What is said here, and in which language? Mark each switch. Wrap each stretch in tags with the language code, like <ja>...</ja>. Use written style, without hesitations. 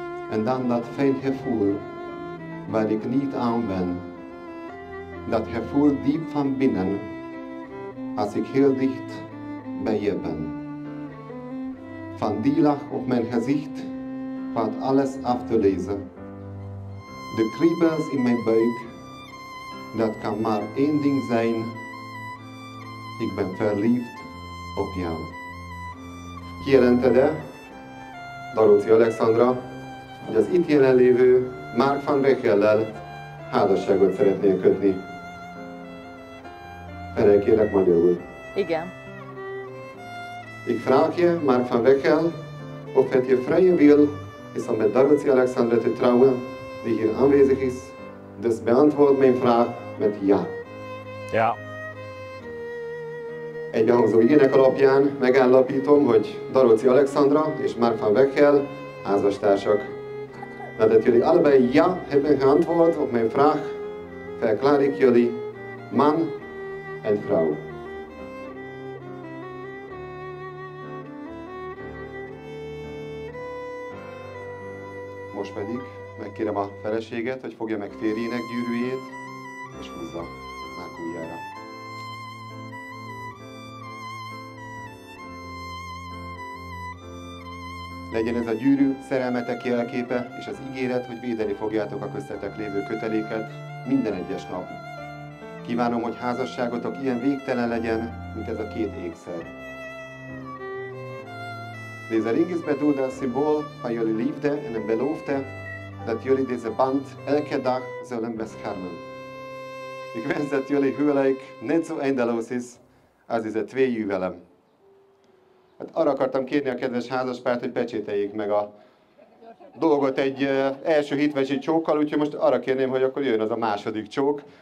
<nl>En dan dat fijn gevoel waar ik niet aan ben, dat gevoel diep van binnen, als ik heel dicht bij je ben. Van die lach op mijn gezicht valt alles af te lezen. De kriebels in mijn buik, dat kan maar één ding zijn. Ik ben verliefd op jou.</nl> <hu>Kijelentede, Daruci Alexandra, hogy az itt jelenlévő Mark van Bechellel házasságot szeretnél kötni. Erről kérek magyarul. Igen.</hu> <nl>Ik vraag je, Mark van Bechell, of het je vrije wil is om met Daruci Alexandra te trouwen, die hier aanwezig is. Dus beantwoord mijn vraag met ja. Ja.</nl> <hu>Egy hangzó ének alapján megállapítom, hogy Daruci Alexandra és Mark van Bechell házastársak.</hu> <nl>Nadat jullie allebei ja hebben geantwoord op mijn vraag, verklaar ik jullie man en vrouw.</nl> <hu>Most pedig megkérem a feleséget, hogy fogja meg férjének gyűrűjét, és húzza Mark ujjára. Legyen ez a gyűrű szerelmetek jelképe, és az ígéret, hogy védeni fogjátok a köztetek lévő köteléket minden egyes nap. Kívánom, hogy házasságotok ilyen végtelen legyen, mint ez a két ékszer.</hu> <nl>Deze ring is bedoeld als symbool van jullie liefde en een belofte dat jullie deze band elke dag zullen beschermen. Ik wens dat jullie huwelijk net zo eindeloos is als deze twee juwelen.</nl> <hu>Hát arra akartam kérni a kedves házaspárt, hogy pecsételjék meg a dolgot egy első hitvesi csókkal, úgyhogy most arra kérném, hogy akkor jön az a második csók.</hu>